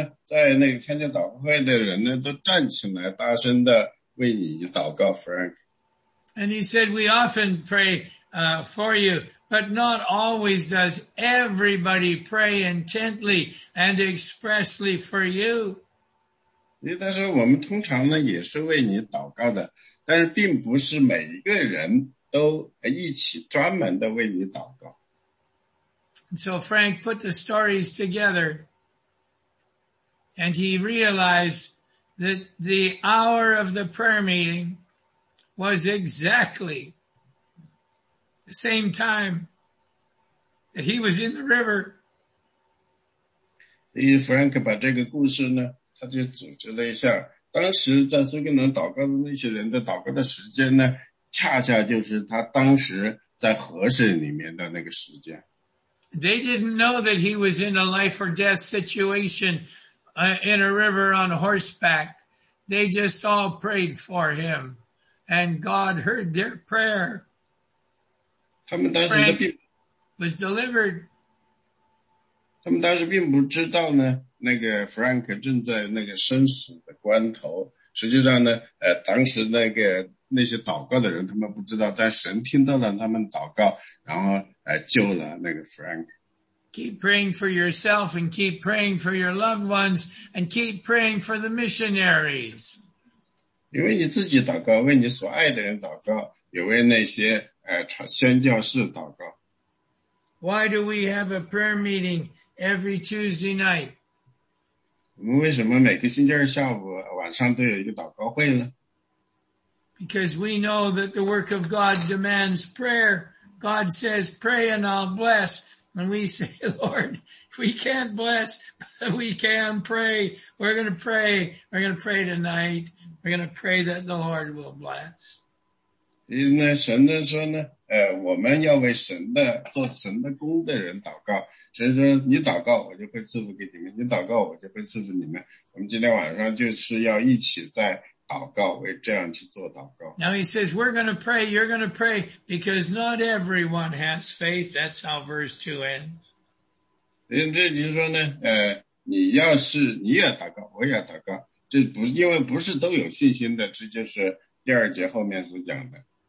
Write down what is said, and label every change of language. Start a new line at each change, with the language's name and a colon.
Chinese: 在那个参加祷告会的人呢都站起来大声的为你祷告 Frank.
English: And he said, we often pray, for you, but not always does everybody pray intently and expressly for you.
Chinese: 因为他说我们通常呢也是为你祷告的但是并不是每一个人都一起专门的为你祷告。
English: So Frank put the stories together, and he realized that the hour of the prayer meeting was exactly the same time that he was in the river.
Chinese: Frank 把这个故事呢，他就组织了一下，当时在苏格兰祷告的那些人的祷告的时间呢，恰恰就是他当时在河水里面的那个时间。
English: They didn't know that he was in a life or death situation, in a river on horseback. They just all prayed for him. And God heard their prayer. Frank was delivered.
Chinese: 他们当时并不知道呢那个 Frank 正在那个生死的关头。实际上呢当时那个那些祷告的人他们不知道但神听到了他们祷告然后救了那个 Frank.
English: Keep praying for yourself and keep praying for your loved ones and keep praying for the missionaries.
Chinese: 因为你自己祷告为你所爱的人祷告也为那些宣教士祷告。
English: Why do we have a prayer meeting every Tuesday night?
Chinese: 我们为什么每个星期二下午晚上都有一个祷告会呢？
English: Because we know that the work of God demands prayer. God says, pray and I'll bless. And we say, Lord, if we can't bless, we can pray. We're going to pray. We're going to pray tonight. We're going to pray that the Lord will bless.
Chinese: 因为呢神呢说呢我们要为神的做神的工的人祷告。神说你祷告我就会赐福给你们。你祷告我就会赐福你们。我们今天晚上就是要一起在祷告，为这样去做祷告。
English: Now he says, we're going to pray, you're going to pray, because not everyone has faith. That's how verse 2 ends.
Chinese: 这就是说呢你要是你也祷告我也祷告这不因为不是都有信心的这就是第二节后面所讲的。